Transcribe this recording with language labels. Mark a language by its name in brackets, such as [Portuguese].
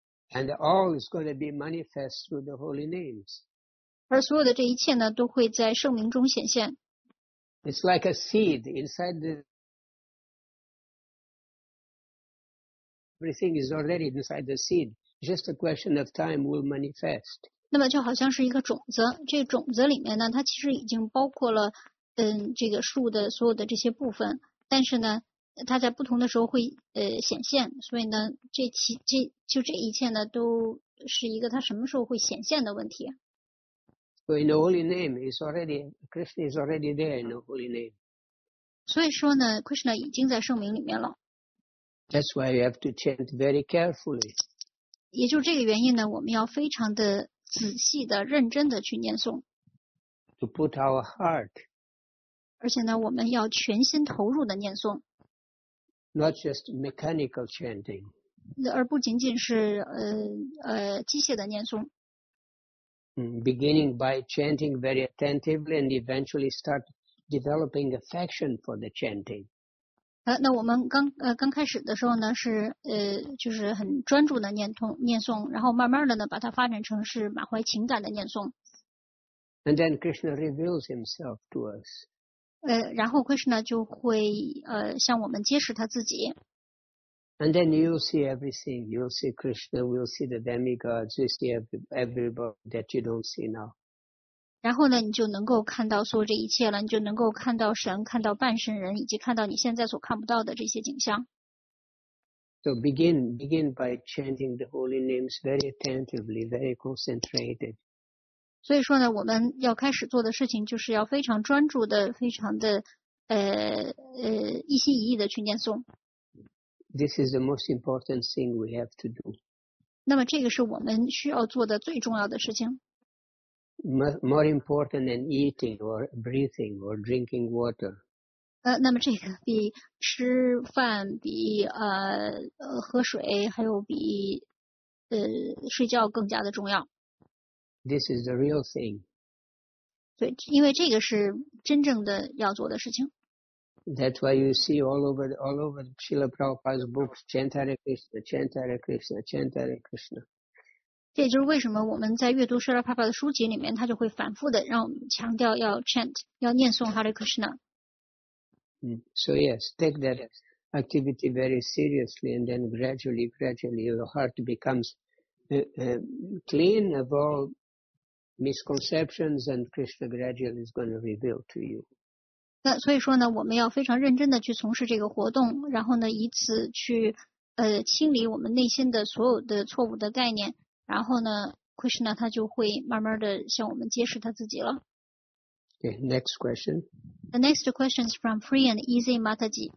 [English] And all is going to be manifest through the holy names. [Chinese] 而所有的这一切呢都会在圣名中显现。 [English] It's like a seed inside the everything is already inside the seed. Just a question of time will manifest. [Chinese] 那么就好像是一个种子，这种子里面呢，它其实已经包括了这个树的所有的这些部分，但是呢，它在不同的时候会显现，所以呢，这一切呢，都是一个它什么时候会显现的问题。 [English] So in the holy name, it's already Krishna is already there in the holy name. [Chinese] 所以说呢 ，Krishna 已经在圣名里面了。 [English] That's why you have to chant very carefully. [Chinese] 也就是这个原因呢，我们要非常的仔细的、认真的去念诵。 [English] To put our heart. [Chinese] 而且呢，我们要全心投入的念诵。 [English] Not just mechanical chanting. [Chinese] 而不仅仅是机械的念诵。 [English] Beginning by chanting very attentively and eventually start developing affection for the chanting. [Chinese] 那我们刚开始的时候呢是就是很专注的念诵然后慢慢的呢把它发展成是满怀情感的念诵。 [English] And then Krishna reveals himself to us. [Chinese] 然后 Krishna 就会向我们揭示他自己。 [English] And then you'll see everything. You'll see Krishna, you'll see the demigods, you'll see everybody that you don't see now. [Chinese] 然后呢你就能够看到所有这一切了你就能够看到神看到半神人以及看到你现在所看不到的这些景象。 [English] So begin by chanting the holy names very attentively, very concentrated. [Chinese] 所以说呢我们要开始做的事情就是要非常专注的非常的一心一意的去念诵。 [English] This is the most important thing we have to do. [Chinese] 那么这个是我们需要做的最重要的事情。 [English] More important than eating or breathing or drinking water. [Chinese] 那么这个比吃饭、比喝水，还有比睡觉更加的重要。 [English] This is the real thing. [Chinese] 对，因为这个是真正的要做的事情。 [English] That's why you see all over Srila Prabhupada's books, chant Hare Krishna, chant Hare Krishna, chant Hare Krishna. [Chinese] 这就是为什么我们在阅读 Srila Prabhupada 的书籍里面，他就会反复的让我们强调要 chant, 要念诵 Hare Krishna. [English] So yes, take that activity very seriously, and then gradually, your heart becomes clean of all misconceptions, and Krishna gradually is going to reveal to you. [Chinese] 所以说呢我们要非常认真的去从事这个活动然后呢以此去清理我们内心的所有的错误的概念然后呢 Krishna 他就会慢慢的向我们揭示他自己了。 [English] Okay, next question. The next question is from Free and Easy Mataji.